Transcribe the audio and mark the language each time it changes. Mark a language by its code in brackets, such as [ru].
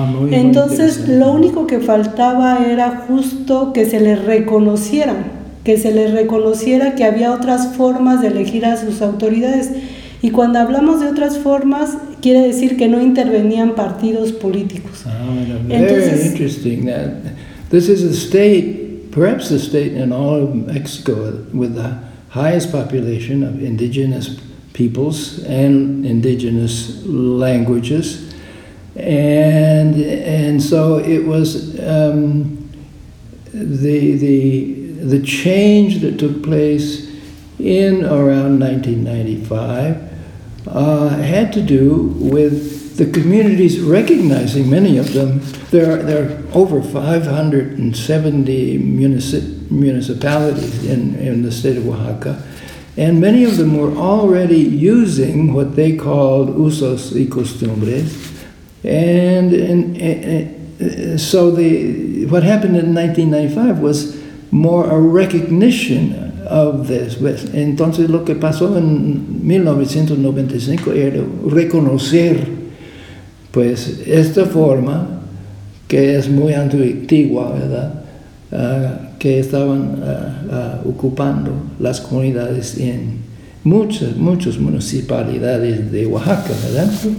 [es] Entonces, muy lo único que faltaba era justo que se les reconociera, que había otras formas de elegir a sus autoridades. Y cuando hablamos de otras formas, quiere decir que no intervenían partidos políticos. [en] Entonces, interesting that this is a state, perhaps the state in all of Mexico with the highest population of indigenous peoples and indigenous languages, and so it was the change that took place in around 1995 had to do with the communities recognizing many of them. There are over 570 municipalities in the state of Oaxaca. And many of them were already using what they called usos y costumbres. And so what happened in 1995 was more a recognition of this. [es] Entonces lo que pasó en 1995 era reconocer pues esta forma que es muy antigua, ¿verdad? Que estaban ocupando las comunidades en muchas municipalidades de Oaxaca, ¿verdad?